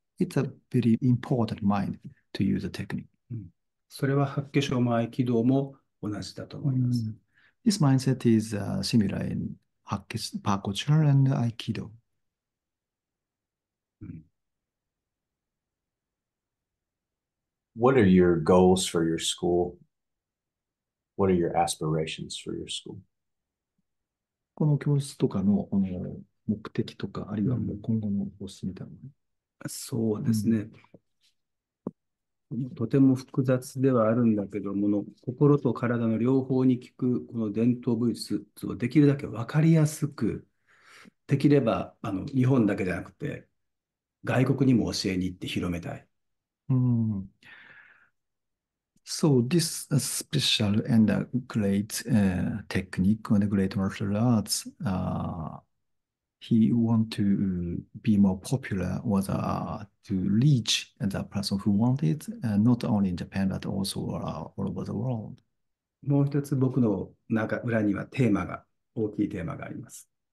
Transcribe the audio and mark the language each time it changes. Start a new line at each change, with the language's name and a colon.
English: It's a very important mind to use the technique.
Japanese: それは八卦掌も合気道も同じだと思います。
English: This mindset is similar in Bakuchan and Aikido. What are your goals for your school? What are your aspirations for your school?
Japanese: この教室とかの、目的とか、あるいはもう今後のコースみたいそうでなすもの。ね。とても複雑ではあるんだけども、心と体の両方に効くこの伝統武術をできるだけ分かりやすく、できれば日本だけじゃなくて外国にも教えに行って広めたい。
English: So this special and great technique and great martial arts, he want to be more popular was to reach the person who want it, not only in Japan but also all over the world.
Japanese: もう一つ僕の中裏にはテーマが、大きいテーマがあります。